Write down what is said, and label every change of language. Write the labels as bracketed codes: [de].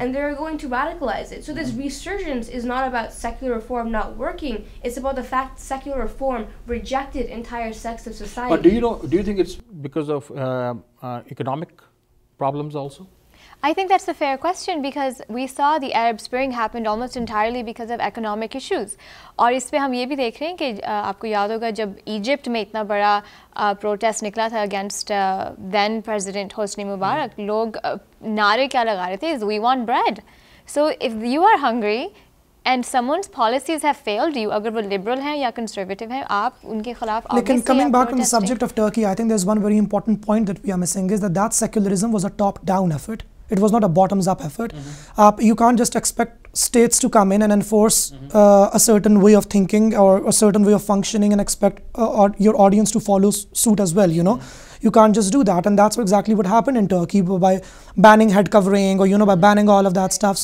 [en] and they are going to radicalize it. So this resurgence is not about secular reform not working, it's about the fact that secular reform rejected entire sects of society. But do you think it's because of economic problems also? I think that's a fair question because we saw the Arab Spring happened almost entirely because of economic issues. [ur] اور اس پہ ہم یہ بھی دیکھ رہے ہیں کہ آپ کو یاد ہوگا جب ایجپٹ میں اتنا بڑا پروٹیسٹ نکلا تھا اگینسٹ دین پریزیڈنٹ حسنی مبارک لوگ نعرے کیا لگا رہے تھے [en] is we want bread so if you are hungry and some ones policies have failed you [ur] اگر وہ لبرل ہیں یا کنزرویٹو ہیں آپ ان کے خلاف لیکن [en] Coming back in the subject of Turkey I think there is one very important point that we are missing is that that secularism was a top down effort It was not a bottoms-up effort. Mm-hmm. You can't just expect states to come in and enforce mm-hmm. A certain way of thinking or a certain way of functioning and expect your audience to follow suit as well, you know. Mm-hmm. You can't just do that. And that's exactly what happened in Turkey by banning head covering or, you know, by banning all of that stuff.